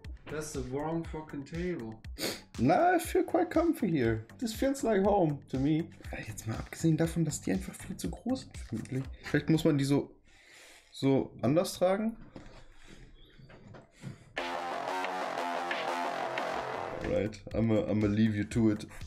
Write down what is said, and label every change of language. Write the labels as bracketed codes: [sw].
[en] That's the wrong fucking table. Nah, I feel quite comfy here. This feels like home to me. [de] Jetzt mal abgesehen davon, dass die einfach viel zu groß sind. Vielleicht muss man die so anders tragen. [en] Alright, I'ma leave you to it.